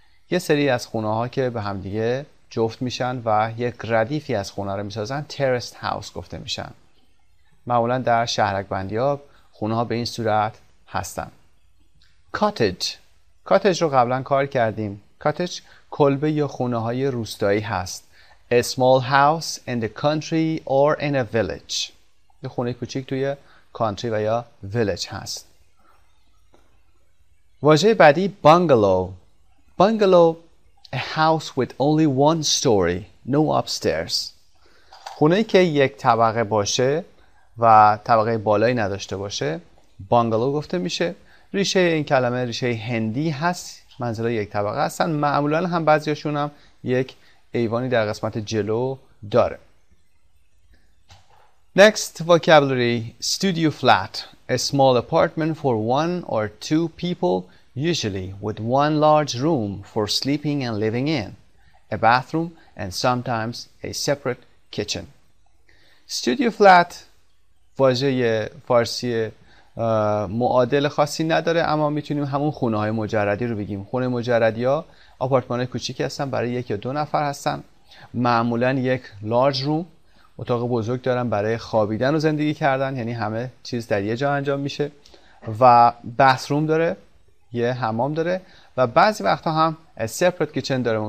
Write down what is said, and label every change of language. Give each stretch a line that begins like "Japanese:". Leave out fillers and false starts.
Persian: یه سری از خونه ها که به هم دیگه جفت میشن و یک ردیفی از خونه رو میسازن terraced house گفته میشن. معمولا در شهرک بندی ها خونه ها به این صورت هستن. Cottage رو قبلا کار کردیم. Cottage کلبه یا خونه های روستایی هست.
English: A small house in the country or in a village.
Persian: یه خونه کوچیک توی country و یا village هست. واژه بعدی bungalow.
English: Bungalow, a house with only one story, no upstairs.
Persian: خونه‌ای که یک طبقه باشه و طبقه بالایی نداشته باشه bungalow گفته میشه. ریشه این کلمه ریشه هندی هست. منزله یک طبقه هستن. معمولا هم بعضیاشون هم یک ایوانی در قسمت جلو داره.
English: Next vocabulary, studio flat. A small apartment for one or two people. Usually with one large room for sleeping and living in, a bathroom and sometimes a separate kitchen.
Persian: Studio flat واژه فارسی معادل خاصی نداره، اما میتونیم همون خونه های مجردی رو بگیم. خونه مجردی ها آپارتمان های کوچیکی هستن، برای یک یا دو نفر هستن. معمولا یک large room، اتاق بزرگ دارن برای خوابیدن و زندگی کردن، یعنی همه چیز در یه جا انجام میشه و bathroom داره، یه حمام داره و بعضی وقتا هم separate kitchen داره.